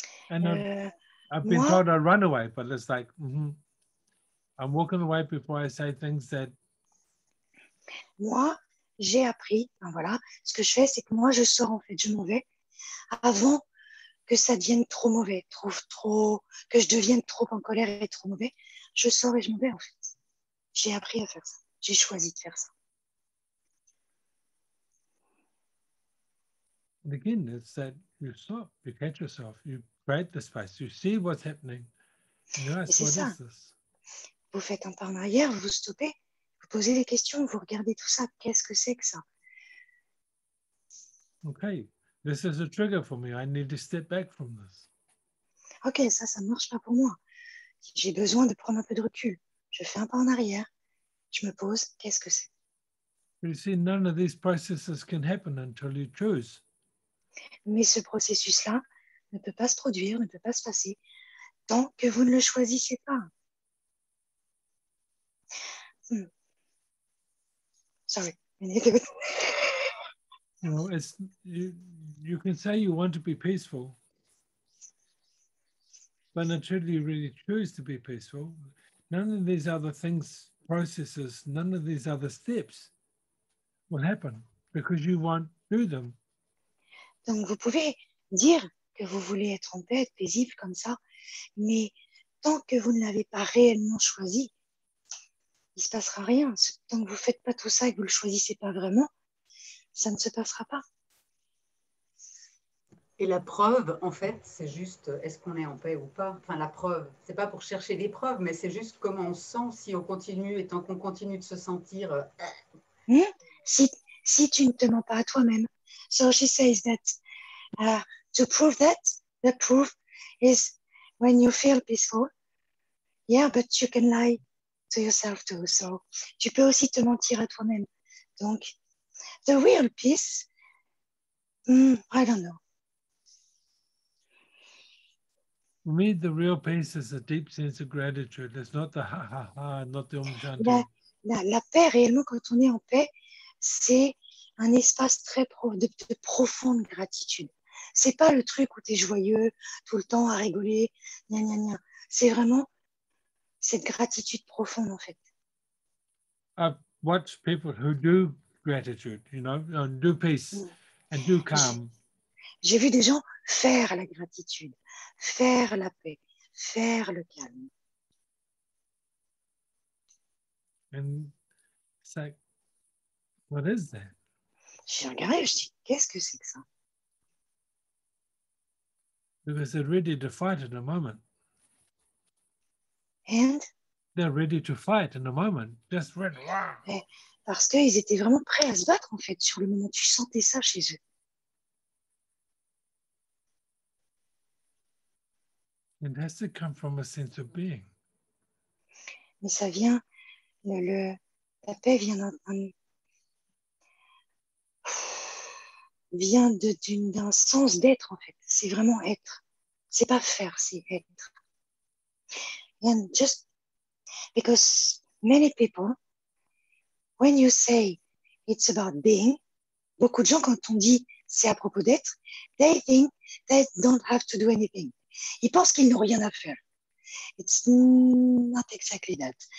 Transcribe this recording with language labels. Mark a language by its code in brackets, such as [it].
[en] And I've been told I'd run away, but it's like, I'm walking away before I say things that... [fr] Moi, j'ai appris, ben voilà, ce que je fais, c'est que moi, je sors en fait, je m'en vais, avant que ça devienne trop mauvais, que je devienne trop en colère et trop mauvais, je sors et je m'en vais en fait. J'ai appris à faire ça, j'ai choisi de faire ça. [en] And again, it's that you stop, you catch yourself, you create the space, you see what's happening, you ask, what is this? [fr] Vous faites un pas en arrière, vous stoppez, vous posez des questions, vous regardez tout ça, qu'est-ce que c'est que ça? [en] Okay, this is a trigger for me, I need to step back from this. [fr] Okay, ça marche pas pour moi. J'ai besoin de prendre un peu de recul. Je fais un pas en arrière, je me pose, qu'est-ce que c'est? [en] You see, none of these processes can happen until you choose. [fr] Mais ce processus-là ne peut pas se produire, ne peut pas se passer tant que vous ne le choisissez pas. [en] You can say you want to be peaceful, but until you really choose to be peaceful, none of these other things, processes, none of these other steps will happen because you won't do them. [fr] Donc, vous pouvez dire que vous voulez être en paix, être paisible comme ça, mais tant que vous ne l'avez pas réellement choisi, il ne se passera rien. Tant que vous ne faites pas tout ça et que vous ne le choisissez pas vraiment, ça ne se passera pas. Et la preuve, en fait, c'est juste est-ce qu'on est en paix ou pas. Enfin, la preuve, ce n'est pas pour chercher des preuves, mais c'est juste comment on se sent si on continue et tant qu'on continue de se sentir... Si tu ne te mens pas à toi-même. [en] So she says that to prove that, the proof is when you feel peaceful. Yeah, but you can lie to yourself too. [fr] So tu peux aussi te mentir à toi-même. [en] Donc, the real peace, I don't know. For me, the real peace is a deep sense of gratitude. It's not the ha-ha-ha, not the om chanting. [fr] La paix, réellement, quand on est en paix, c'est un espace très de profonde gratitude. C'est pas le truc où tu es joyeux tout le temps à rigoler, gna gna gna. C'est vraiment cette gratitude profonde en fait. [en] I've watched people who do gratitude, you know, and do peace and do calm. [fr] J'ai vu des gens faire la gratitude, faire la paix, faire le calme. [en] And it's like, what is that? [fr] J'ai regardé et je dis, qu'est-ce que c'est que ça? [en] Because they're ready to fight in a moment. And? They're ready to fight in a moment. Just ready. [fr] Parce qu'ils étaient vraiment prêts à se battre, en fait, sur le moment. Tu sentais ça chez eux. [en] It has to come from a sense of being. [fr] Mais ça vient, la paix vient d'un sens d'être en fait. C'est vraiment être. C'est pas faire, c'est être. [en] And just because many people, when you say it's about being, [fr] beaucoup de gens quand on dit c'est à propos d'être, [en] they think they don't have to do anything. [fr] Ils pensent qu'ils n'ont rien à faire. [en] It's not exactly that.